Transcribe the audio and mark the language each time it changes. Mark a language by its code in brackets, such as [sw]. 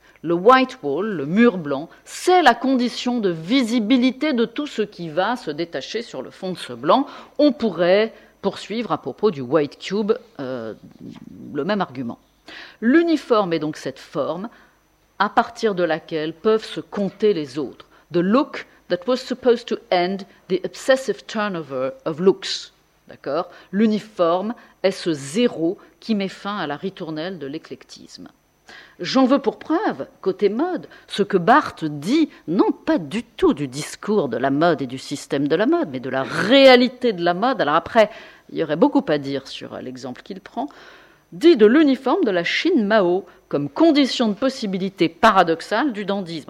[fr] Le white wall, le mur blanc, c'est la condition de visibilité de tout ce qui va se détacher sur le fond de ce blanc. On pourrait poursuivre à propos du white cube le même argument. L'uniforme est donc cette forme à partir de laquelle peuvent se compter les autres. [en] The look that was supposed to end the obsessive turnover of looks. [fr] D'accord? L'uniforme est ce zéro qui met fin à la ritournelle de l'éclectisme. J'en veux pour preuve, côté mode, ce que Barthes dit, non pas du tout du discours de la mode et du système de la mode, mais de la réalité de la mode. Alors après, il y aurait beaucoup à dire sur l'exemple qu'il prend, dit de l'uniforme de la Chine Mao comme condition de possibilité paradoxale du dandysme.